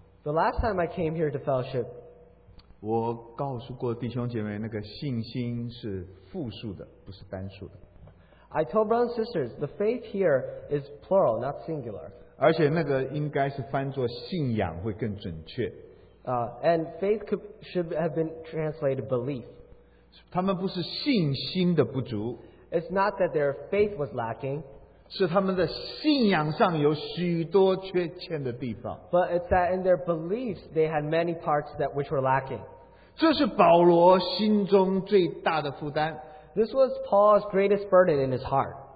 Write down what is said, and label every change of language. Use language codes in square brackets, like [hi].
[en] the last time I came here to fellowship, [zh] 我告诉过弟兄姐妹那个信心是复数的,不是单数的。 [en] I told brothers and sisters, the faith here is plural, not singular. [zh] 而且那个应该是翻作信仰会更准确。 [en] And faith should have been translated belief. [zh] 他们不是信心的不足。 [en] It's not that their faith was lacking. [zh] 是他们的信仰上有许多缺欠的地方。 [en] But it's that in their beliefs, they had many parts that which were lacking. [zh] 这是保罗心中最大的负担。 [en] This was Paul's greatest burden in his heart.